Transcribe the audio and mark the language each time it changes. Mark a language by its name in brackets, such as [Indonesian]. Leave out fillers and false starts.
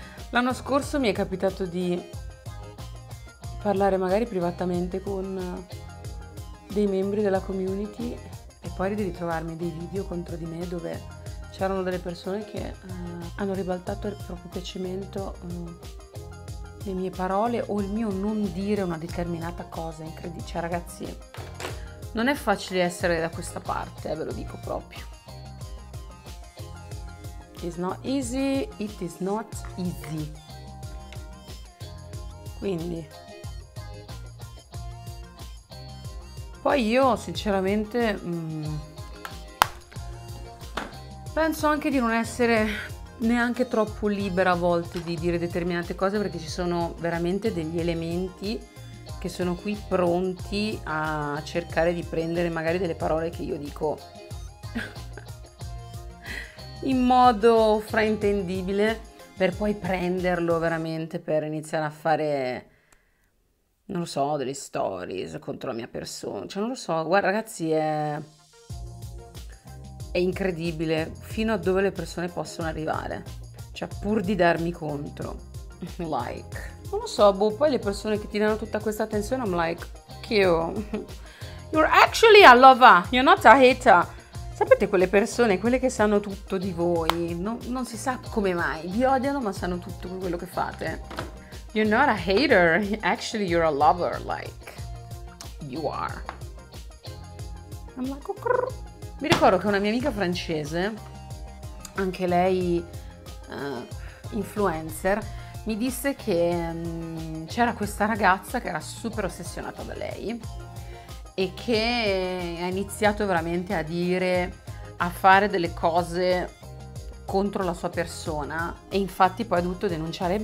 [Italian] l'anno scorso mi è capitato di parlare magari privatamente con dei membri della community e poi di ritrovarmi dei video contro di me dove c'erano delle persone che hanno ribaltato il proprio piacimento le mie parole o il mio non dire una determinata cosa, incredibile. Cioè, ragazzi, non è facile essere da questa parte, ve lo dico proprio. [English] It's not easy, it is not easy. [Italian] Quindi, poi io sinceramente penso anche di non essere neanche troppo libera a volte di dire determinate cose, perché ci sono veramente degli elementi che sono qui pronti a cercare di prendere magari delle parole che io dico in modo fraintendibile, per poi prenderlo veramente per iniziare a fare, non lo so, delle stories contro la mia persona. Cioè, non lo so, guarda ragazzi, è incredibile fino a dove le persone possono arrivare, cioè pur di darmi contro, like, non lo so, boh, poi le persone che ti danno tutta questa attenzione, [English] I'm like, kill, you're actually a lover, you're not a hater. [Italian] Sapete quelle persone, quelle che sanno tutto di voi, non si sa come mai, vi odiano ma sanno tutto quello che fate. [English] You're not a hater, actually you're a lover, like, you are. I'm like, oh, [Italian] mi ricordo che una mia amica francese, anche lei influencer, mi disse che c'era questa ragazza che era super ossessionata da lei e che ha iniziato veramente a dire, a fare delle cose contro la sua persona, e infatti poi ha dovuto denunciare.